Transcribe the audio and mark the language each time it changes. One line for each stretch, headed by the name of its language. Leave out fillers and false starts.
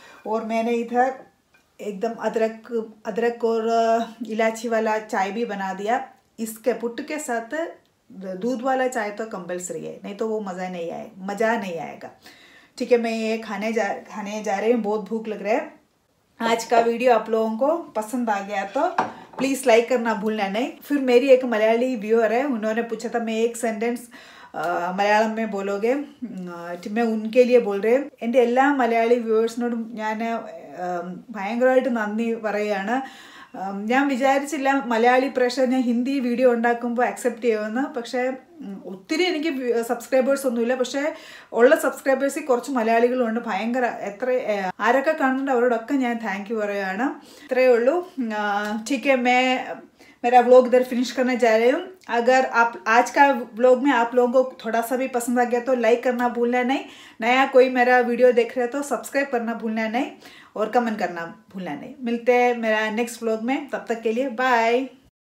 Hindi: और मैंने इधर एकदम अदरक और इलायची वाला चाय भी बना दिया, इसके पुट के साथ दूध वाला चाय तो कंपल्सरी है, नहीं तो वो मज़ा नहीं आएगा। ठीक है, मैं ये खाने जा रही हूँ, बहुत भूख लग रहा है। आज का वीडियो आप लोगों को पसंद आ गया तो प्लीज़ लाइक करना भूलना नहीं। फिर मेरी एक मलयाली व्यूअर है, उन्होंने पूछा था मैं एक सेंटेंस മലയാളം മേ ബോലോഗേ ടിമേ ഉൻകെ ലിയ ബോൾറേ
Malayalam: എൻ്റെ എല്ലാ മലയാളി വ്യൂവേഴ്സിനോടും ഞാൻ ഭയങ്കരമായിട്ട് നന്ദി പറയുകയാണ്. ഞാൻ വിചാരിച്ചില്ല മലയാളി പ്രഷർ ഞാൻ ഹിന്ദി വീഡിയോ ഉണ്ടാക്കുമ്പോൾ അക്സെപ്റ്റ് ചെയ്യുമെന്ന്. പക്ഷേ ഒത്തിരി എനിക്ക് സബ്സ്ക്രൈബേഴ്സ് ഒന്നുമില്ല, പക്ഷേ ഉള്ള സബ്സ്ക്രൈബേഴ്സിൽ കുറച്ച് മലയാളികളുണ്ട്, ഭയങ്കര എത്ര ആരൊക്കെ കാണുന്നുണ്ട് അവരോടൊക്കെ ഞാൻ താങ്ക് യു പറയുകയാണ്. ഇത്രയേ ഉള്ളൂ.
Hindi: ടിക്കെ മേ मेरा व्लॉग इधर फिनिश करने जा रही हूँ. अगर आप आज का व्लॉग में आप लोगों को थोड़ा सा भी पसंद आ गया तो लाइक करना भूलना नहीं, नया कोई मेरा वीडियो देख रहे तो सब्सक्राइब करना भूलना नहीं और कमेंट करना भूलना नहीं. मिलते हैं मेरा नेक्स्ट व्लॉग में, तब तक के लिए बाय.